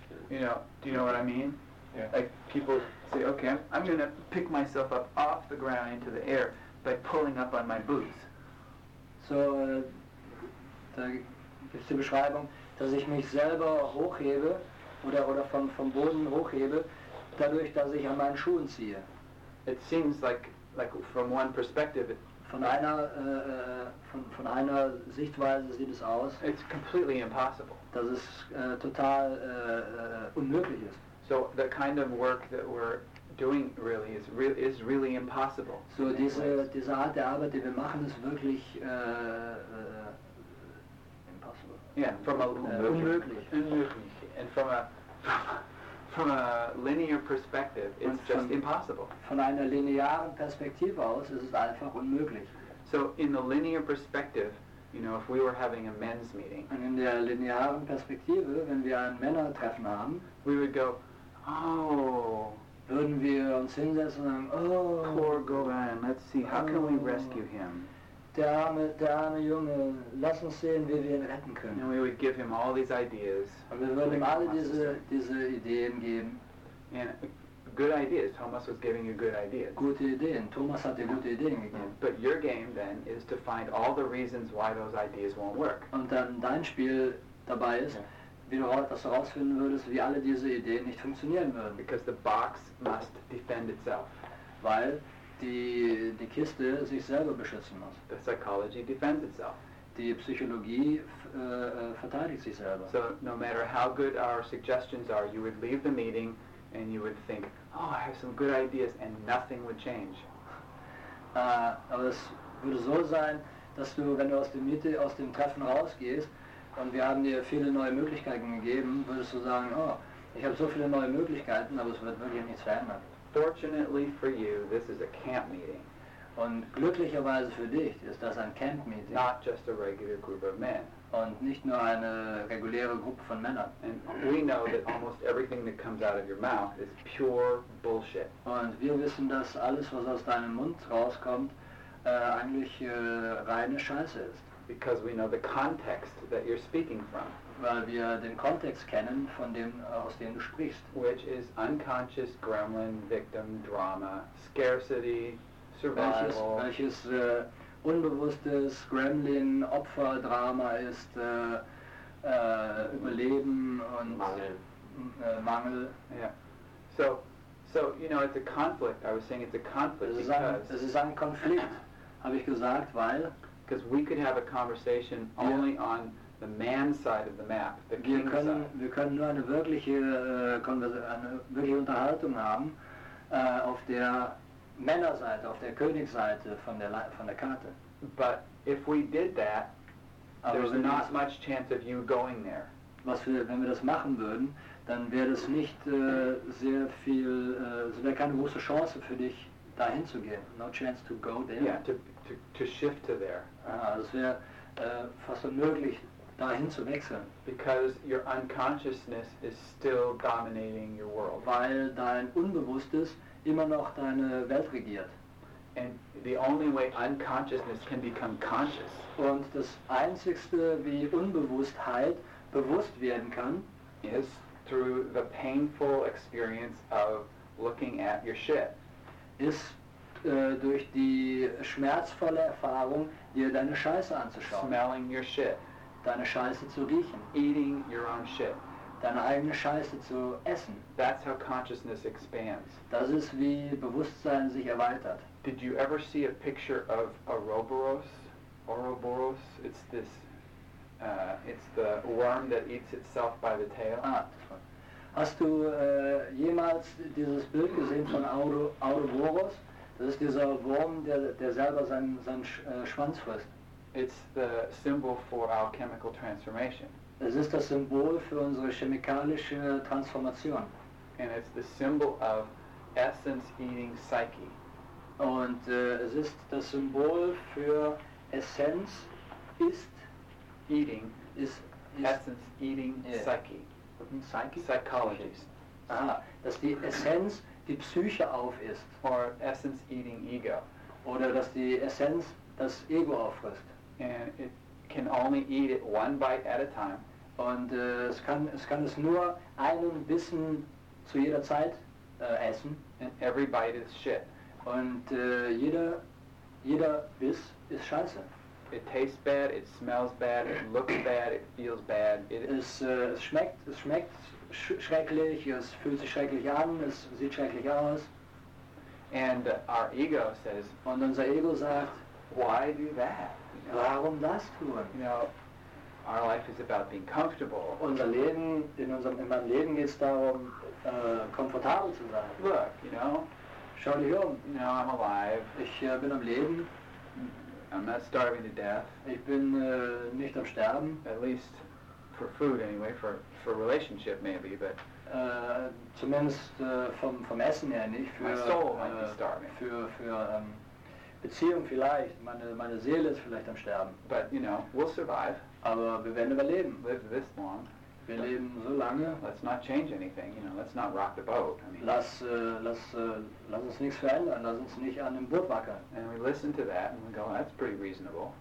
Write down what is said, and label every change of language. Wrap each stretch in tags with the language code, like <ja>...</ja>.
<en>You know, do you know what I mean? Yeah. Like people say, okay, I'm going to pick myself up off the ground into the air by pulling up on my boots.</en> <de>So, da gibt's die Beschreibung, dass ich mich selber hochhebe oder vom Boden hochhebe, dadurch, dass ich an meinen Schuhen ziehe.</de> <en>It seems like from one perspective.</en> <de>Von einer Sichtweise sieht es aus.</de> <en>It's completely impossible.</en> <de>Dass es total unmöglich ist.</de> <en>So the kind of work that we're doing really is really impossible.</en> <de>So diese Art der Arbeit, die wir machen, ist wirklich</de> <en>impossible. Yeah, from a</en> <de>unmöglich.</de> <en>And from a linear perspective, it's just impossible.</en> <de>Von einer linearen Perspektive aus ist es einfach unmöglich.</de> <en>So in the linear perspective, you know, if we were having a men's meeting.</en> <de>Und in der linearen Perspektive, wenn wir ein Männertreffen haben,</de> <en>we would go, oh,</en> <de>würden wir uns hinsetzen und sagen, oh,</de> <en>poor Gauguin, let's see, how can we rescue him?</en> <de>Der arme Junge, lass uns sehen, wie wir ihn retten können.</de> <en>And we would give him all these ideas.</en> <de>Und wir würden ihm alle diese Ideen geben.</de> <en>Yeah, good ideas. Thomas was giving you good ideas.</en> <de>Gute Ideen. Thomas hat dir gute Ideen gegeben. Yeah.</de> <en>But your game then is to find all the reasons why those ideas won't work.</en> <de>Und dann dein Spiel dabei ist. Yeah. Dass du herausfinden würdest, wie alle diese Ideen nicht funktionieren würden.</de> <en>Because the box must defend itself.</en> <de>Weil die Kiste sich selber beschützen muss.</de> <en>The psychology defends itself.</en> <de>Die Psychologie verteidigt sich selber.</de> <en>So no matter how good our suggestions are, you would leave the meeting and you would think, oh, I have some good ideas, and nothing would change.</en> <de>Aber es würde so sein, dass du, wenn du aus dem Treffen rausgehst, und wir haben dir viele neue Möglichkeiten gegeben, würdest du sagen, oh, ich habe so viele neue Möglichkeiten, aber es wird wirklich nichts verändern.</de> <en>Fortunately for you, this is a camp meeting.</en> <de>Und glücklicherweise für dich ist das ein Camp Meeting.</de> <en>Not just a regular group of men.</en> <de>Und nicht nur eine reguläre Gruppe von Männern.</de> <en>And we know that almost everything that comes out of your mouth is pure bullshit.</en> <de>Und wir wissen, dass alles, was aus deinem Mund rauskommt, eigentlich reine Scheiße ist.</de> <en>Because we know the context that you're speaking from.</en> <de>Weil wir den Kontext kennen, von dem, aus dem du sprichst.</de> <en>Which is unconscious gremlin victim drama, scarcity, survival.</en> <de>Welches unbewusstes gremlin Opferdrama ist, Überleben und Mangel.</de> <en>Yeah. So, you know, it's a conflict. I was saying it's a conflict</en> <de>Es ist ein Konflikt, habe ich gesagt, weil...</de> <en>Because we could have a conversation only on the man side of the map, the king side.</en> <de>Wir können nur eine wirkliche Unterhaltung haben auf der Männerseite, auf der Königsseite von der Karte.</de> <en>But if we did that, there's not much chance of you going there.</en> <de>Wenn wir das machen würden, dann wäre es nicht wäre keine große Chance für dich, dahin zu gehen.</de> <en>No chance to go there. Yeah, to shift to there.</en> <de>Es wäre fast unmöglich, dahin zu wechseln.</de> <en>Because your unconsciousness is still dominating your world.</en> <de>Weil dein Unbewusstes immer noch deine Welt regiert.</de> <en>And the only way unconsciousness can become conscious.</en> <de>Und das Einzigste, wie Unbewusstheit bewusst werden kann,</de> <en>is through the painful experience of looking at your shit.</en> <de>Ist durch die schmerzvolle Erfahrung, dir deine Scheiße anzuschauen.</de> <en>Smelling your shit.</en> <de>Deine Scheiße zu riechen.</de> <en>Eating your own shit.</en> <de>Deine eigene Scheiße zu essen.</de> <en>That's how consciousness expands.</en> <de>Das ist, wie Bewusstsein sich erweitert.</de> <en>Did you ever see a picture of Ouroboros? Ouroboros? It's this, it's the worm that eats itself by the tail.</en> <de>Hast du jemals dieses Bild gesehen von Ouroboros? Das ist dieser Wurm, der selber seinen Schwanz frisst.</de> <en>It's the symbol for alchemical transformation.</en> <de>Es ist das Symbol für unsere chemikalische Transformation.</de> <en>And it's the symbol of essence eating psyche.</en> <de>Und es ist das Symbol für Essenz ist</de> <en>eating</en> <de>ist</de> <en>essence eating psyche. Psyche? Psychologies.</en> <de>Ah, dass die Essenz die Psyche auf ist.</de> <en>Or essence eating ego.</en> <de>Oder dass die Essenz das Ego auffrisst.</de> <en>And it can only eat it one bite at a time.</en> <de>Und es kann es nur einen Bissen zu jeder Zeit essen.</de> <en>And every bite is shit.</en> <de>Und jeder Biss ist scheiße.</de> <en>It tastes bad, it smells bad, it looks bad, it feels bad.</en> <de>Es schmeckt schrecklich, es fühlt sich schrecklich an, es sieht schrecklich aus.</de> <en>And our ego says,</en> <de>und unser Ego sagt,</de> <en>why do that?</en> <de>Warum das tun?</de> <en>You know, our life is about being comfortable.</en> <de>In meinem Leben geht es darum, komfortabel zu sein.</de> <en>Look, you know,</en> <de>schau dich um.</de> <en>You know, I'm alive.</en> <de>Ich bin am Leben.</de> <en>I'm not starving to death.</en> <de>Ich bin nicht am Sterben.</de> <en>At least for food anyway, for relationship maybe, but...</en> <de>Zumindest vom Essen her nicht. Für,</de> <en>my soul might be starving.</en> <de>Für Beziehung vielleicht. Meine Seele ist vielleicht am Sterben.</de> <en>But, you know, we'll survive.</en> <de>Aber wir werden überleben.</de> <en>Live this long.</en> <de>Wir leben so lange.</de> <en>Let's not change anything, you know, let's not rock the boat. I mean,</en> <de>lass uns nichts verändern, lass uns nicht an dem Boot wackeln.</de> <en>And we listen to that and we go, oh, that's pretty reasonable.</en>